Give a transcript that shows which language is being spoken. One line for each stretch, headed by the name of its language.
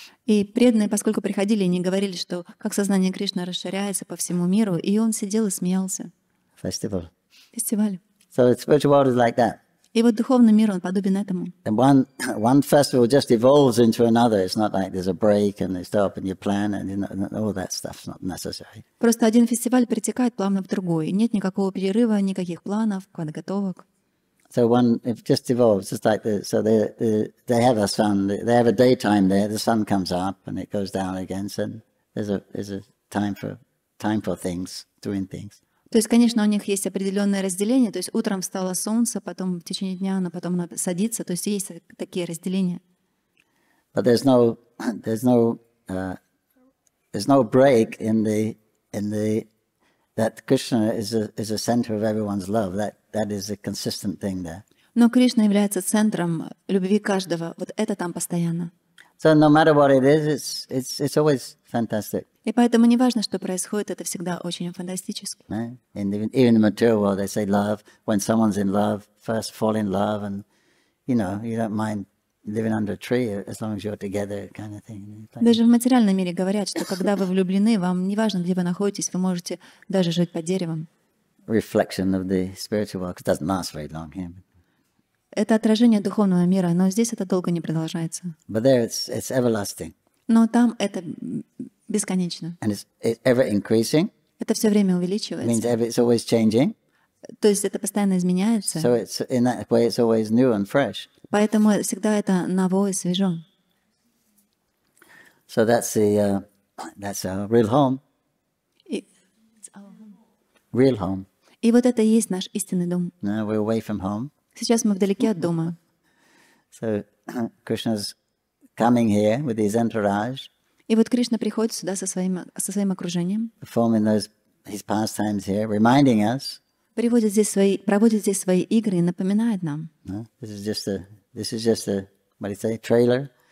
Russian: И преданные, поскольку приходили, они говорили, что как сознание Кришны расширяется по всему миру, и он сидел и смеялся.
English: Festival.
Russian: Фестиваль.
English: So the spiritual world is like that.
Russian: И вот духовный мир, он подобен этому.
English: And one festival just evolves into another. It's not like there's a break and they stop and you plan and all that stuff's not necessary.
Russian: Просто один фестиваль перетекает плавно в другой. Нет никакого перерыва, никаких планов, подготовок.
English: So one it just evolves. It's like they have a sun. They have a daytime there. The sun comes up and it goes down again. So there's a time for things, doing things.
Russian: То есть, конечно, у них есть определенное разделение. То есть, утром встало солнце, потом в течение дня оно потом садится. То есть, есть такие разделения.
English: But there's no break in the that Krishna is a center of everyone's love. That is a consistent thing there.
Russian: Но Кришна является центром любви каждого. Вот это там постоянно.
English: So no matter what it is, it's always fantastic.
Russian: И поэтому не важно, что происходит, это всегда очень фантастически.
English: Even in material world, they say love. When someone's in love, first fall in love, and you know, you don't mind living under a tree as long as you're together, kind of thing.
Russian: Даже в материальном мире говорят, что когда вы влюблены, вам не важно, где вы находитесь, вы можете даже жить под деревом.
English: Reflection of the spiritual world, because it doesn't last very long here.
Russian: Это отражение духовного мира, но здесь это долго не продолжается.
English: But there it's everlasting.
Russian: Но там это бесконечно.
English: And it's ever increasing.
Russian: Это все время увеличивается.
English: Means it's always changing.
Russian: То есть это постоянно изменяется.
English: So it's in that way it's always new and fresh.
Russian: Поэтому всегда это ново и свежо.
English: So that's the that's our real home. Real home.
Russian: И вот это и есть наш истинный дом.
English: Now we're away from home.
Russian: Сейчас мы вдалеке от дома.
English: So Krishna's coming here with his entourage.
Russian: И вот Кришна приходит сюда со своим окружением.
English: Performing those his pastimes here, reminding us.
Russian: Проводит здесь свои игры и напоминает нам.
English: This is just a what do you say, trailer?